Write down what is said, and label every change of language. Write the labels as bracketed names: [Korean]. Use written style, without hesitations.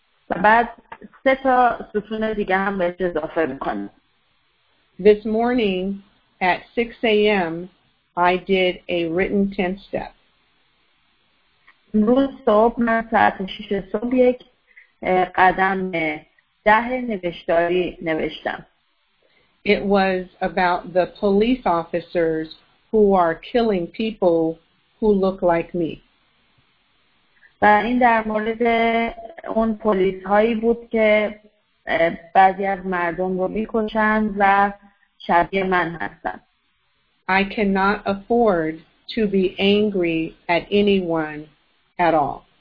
[Persian] و بعد 3 ستون دیگه هم بهش اضافه میکنم. [English] This morning at 6 a.m. I did a written 10 step. [Persian] امروز صبح من ساعت 6 صبح یک قدم 10 نوشتاری نوشتم. [English] It was about the police officers who are killing people who look like me. [Persian] و این در مورد اون پلیس‌هایی بود که بعضی از مردم رو می‌کشند و شبیه من هستند. [English] I cannot afford to be angry at anyone at all.